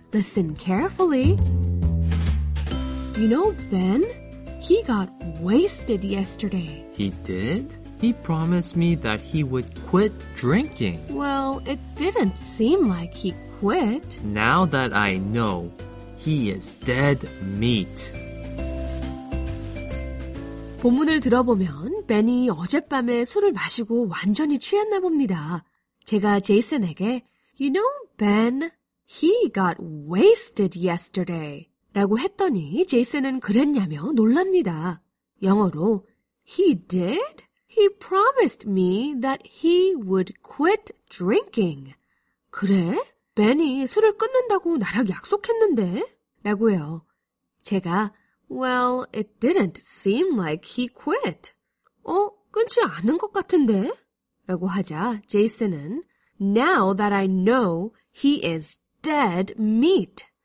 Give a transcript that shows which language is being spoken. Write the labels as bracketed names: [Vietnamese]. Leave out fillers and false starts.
[English] Listen carefully. You know, Ben, he got wasted yesterday. He did? He promised me that he would quit drinking. Well, it didn't seem like he quit. Now that I know, he is dead meat. [Korean] 본문을 들어보면 벤이 어젯밤에 술을 마시고 완전히 취했나 봅니다. 제가 제이슨에게 [English] You know, Ben, he got wasted yesterday. [Korean] 라고 했더니 제이슨은 그랬냐며 놀랍니다. 영어로 [English] He did? He promised me that he would quit drinking. [Korean] 그래? 벤이 술을 끊는다고 나랑 약속했는데? 라고요. 제가 [English] Well, it didn't seem like he quit. [Korean] 어? 끊지 않은 것 같은데? 라고 하자 제이슨은 [English] Now that I know, he is dead meat.